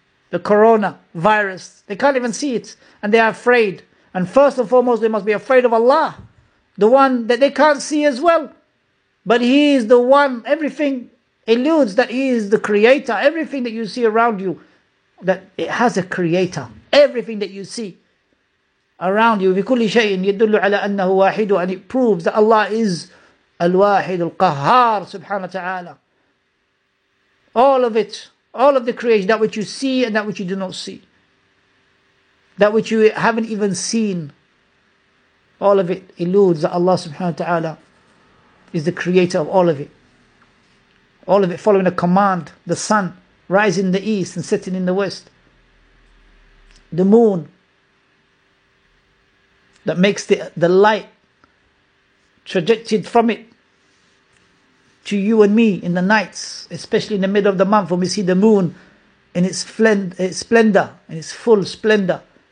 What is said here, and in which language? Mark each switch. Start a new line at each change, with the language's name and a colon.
English: The coronavirus. They can't even see it. And they are afraid. And first and foremost they must be afraid of Allah. The one that they can't see as well. But He is the one, everything eludes that He is the creator. Everything that you see around you, that it has a creator. Everything that you see. around you,
Arabic: بكل شيء يدل على أنه واحد,
English: and it proves that Allah is
Arabic: الواحد القهار سبحانه وتعالى.
English: All of it, all of the creation, that which you see and that which you do not see, that which you haven't even seen, all of it eludes that Allah subhanahu wa ta'ala is the creator of all of it. All of it following a command, the sun rising in the east and setting in the west, the moon that makes the light trajected from it to you and me in the nights, especially in the middle of the month when we see the moon in its splendor, in its full splendor.